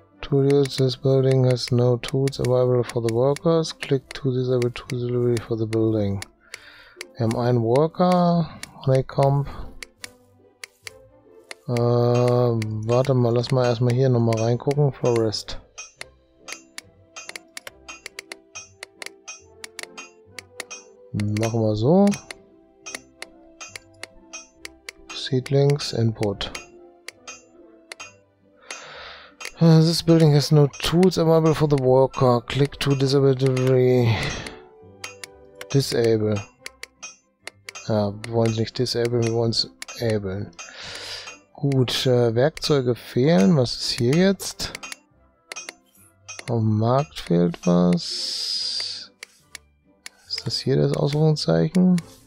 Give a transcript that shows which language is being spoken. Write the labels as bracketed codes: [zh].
[en] This building has no tools available for the workers. Click to disable tools delivery for the building. [de] Wir haben einen Worker, Honeycomb. Warte mal, lass mal erstmal hier nochmal reingucken. Forest. Machen wir so. Seedlings, Input. [en] This building has no tools available for the worker. Click to disable delivery. Disable. [de] Ja, wir wollen es nicht disable, wir wollen es ablen. Gut, Werkzeuge fehlen. Was ist hier jetzt? Auf dem Markt fehlt was. Ist das hier das Ausrufungszeichen?